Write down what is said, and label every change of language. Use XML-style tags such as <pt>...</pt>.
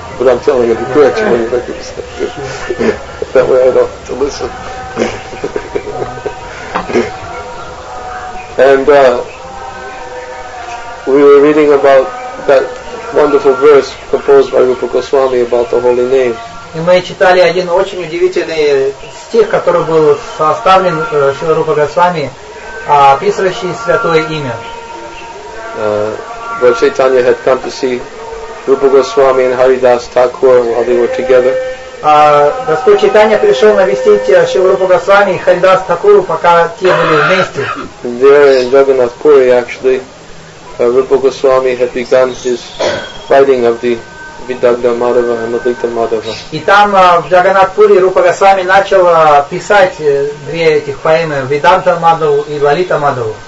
<en>But I'm telling you the correct way you make it stuff. That way I don't have to listen. And we were reading about that wonderful verse composed by Rupa Goswami about the holy name.</en> <ru>И мы читали один очень удивительный стих, который был составлен Шрила Рупа Госвами, описывающий святое имя.</ru> <en>Lord Chaitanya had come to see Rupa Goswami and Haridas Thakur while they were together.</en> <ru>Господь Чайтанья пришел навестить Шрила Рупа Госвами и Харидас Такуру, пока те были вместе.</ru> <en>And there in Jagannath Puri, actually, Rupa Goswami had begun his writing of the Vidagdha Madhava and Madhita Madhava.</en> <ru>И там в Джаганнатх Пури Рупа Госвами начал писать две этих поэмы, Vidagdha Madhava и Lalita Madhava.</ru>